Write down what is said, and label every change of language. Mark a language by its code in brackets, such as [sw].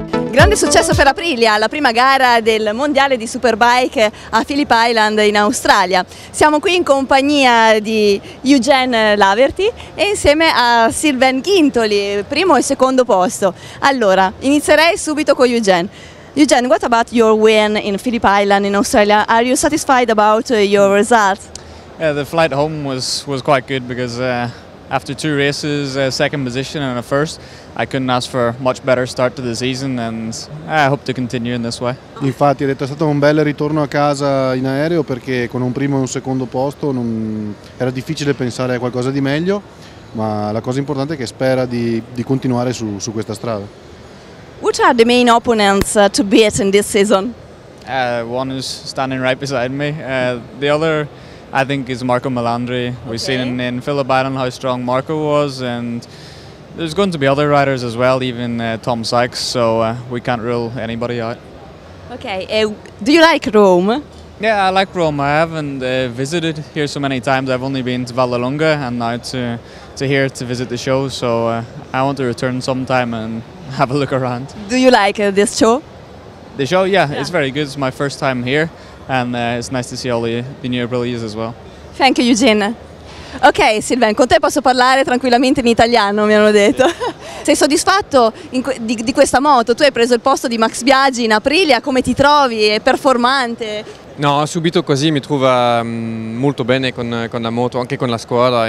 [it] Grande successo per Aprilia, la prima gara del mondiale di Superbike a Phillip Island in Australia. Siamo qui in compagnia di Eugene Laverty e insieme a Sylvain Ghintoli, primo e secondo posto. Allora, inizierei subito con Eugene. [en] Eugene, what about your win in Phillip Island in Australia? Are you satisfied about your results? Yeah, the flight home was quite good because after two races, a second position and a first, I couldn't ask for a much better start to the season and I hope to continue in this way. [it] Infatti, è stato un bel ritorno a casa in aereo perché con un primo e un secondo posto non era difficile pensare a qualcosa di meglio, ma la cosa importante è che spera di continuare su questa strada. [en] What are the main opponents to beat in this season? One is standing right beside me. The other, I think, is Marco Melandri. We've seen in Phillip Island how strong Marco was, and there's going to be other riders as well, even Tom Sykes, so we can't rule anybody out. Okay, do you like Rome? Yeah, I like Rome. I haven't visited here so many times. I've only been to Vallelonga and now to here to visit the show, so I want to return sometime and have a look around. Do you like this show? The show, yeah, it's very good. It's my first time here. And it's nice to see all the new abilities as well. Thank you, Eugene. [it] Ok, Sylvain, con te posso parlare tranquillamente in italiano, mi hanno detto. Sei soddisfatto di questa moto? Tu hai preso il posto di Max Biaggi in Aprilia, come ti trovi? È performante? No, subito così mi trovo molto bene con la moto, anche con la squadra.